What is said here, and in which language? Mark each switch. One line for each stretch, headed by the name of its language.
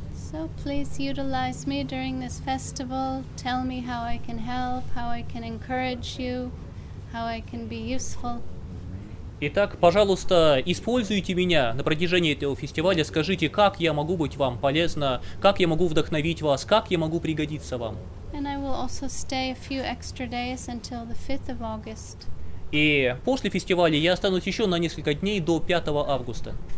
English: So please utilize me during this festival. Tell me how I can help, how I can encourage you, how I can be useful.
Russian: Итак, пожалуйста, используйте меня на протяжении этого фестиваля. Скажите, как я могу быть вам полезна, как я могу вдохновить вас, как я могу пригодиться вам.
English: And I will also stay a few extra days until the 5th of August.
Russian: И после фестиваля я останусь еще на несколько дней до 5 августа.